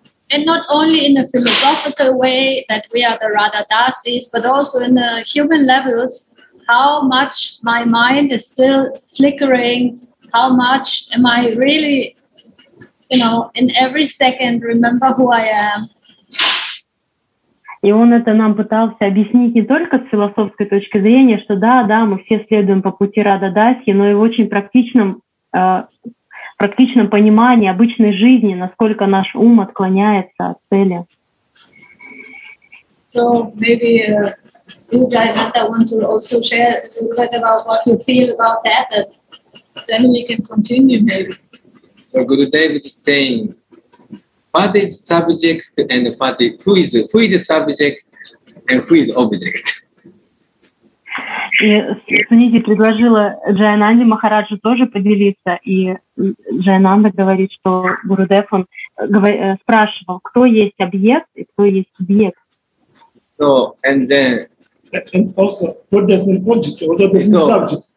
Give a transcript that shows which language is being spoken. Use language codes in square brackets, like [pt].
[en] And not only in a philosophical way that we are the Radha Dasis, but also in the human levels, how much my mind is still flickering, how much am I really, you know, in every second remember who I am. [ru] И он это нам пытался объяснить не только с философской точки зрения, что да, мы все следуем по пути Радха Дасьи, но и в очень практичном понимании обычной жизни, насколько наш ум отклоняется от цели. [en] So maybe you guys want to also share a little bit about what you feel about that, that then we can continue maybe. So Guru David is saying, what is subject and what is, who is subject and who is object? [ru] И Суниди предложила Джайананде Махараджу тоже поделиться, и Джайананда говорит, что Гурудев он спрашивал, кто есть объект и кто есть субъект. [en] So and then and also what does mean object? What does mean subject?